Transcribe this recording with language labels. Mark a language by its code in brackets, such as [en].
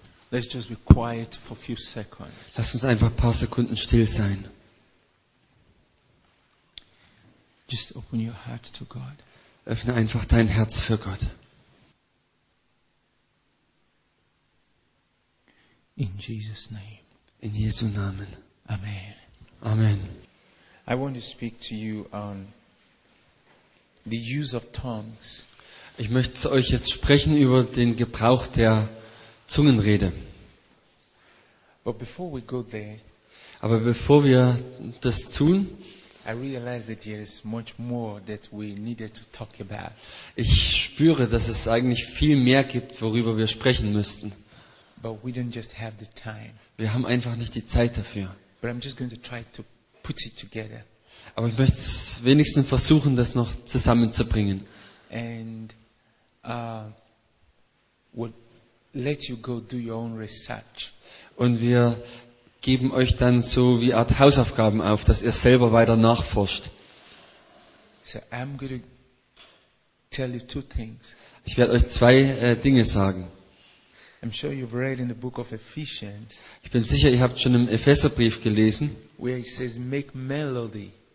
[en] Let's just be quiet for a few seconds. [de] Lass uns einfach ein paar Sekunden still sein. [en] Just open your heart to God. [de] Öffne einfach dein Herz für Gott. [en] In Jesus' name. [de] In Jesu Namen. [en] Amen. [de] Amen. [en] I want to speak to you on the use of tongues. [de] Ich möchte zu euch jetzt sprechen über den Gebrauch der Zungenrede. [en] But before we go there, [de] aber bevor wir das tun, [en] I realize that there is much more that we needed to talk about. [de] Ich spüre, dass es eigentlich viel mehr gibt, worüber wir sprechen müssten. [en] But we don't just have the time. [de] Wir haben einfach nicht die Zeit dafür. [en] But I'm just going to try to put it together. [de] Aber ich möchte wenigstens versuchen, das noch zusammenzubringen. [en] And we'll let you go do your own research. [de] Und wir geben euch dann so wie Art Hausaufgaben auf, dass ihr selber weiter nachforscht. [en] So I'm going to tell you two things. [de] Ich werde euch zwei Dinge sagen. [en] I'm sure you've read in the book of Ephesians. [de] Ich bin sicher, ihr habt schon im Epheserbrief gelesen, [en] where it says make melody.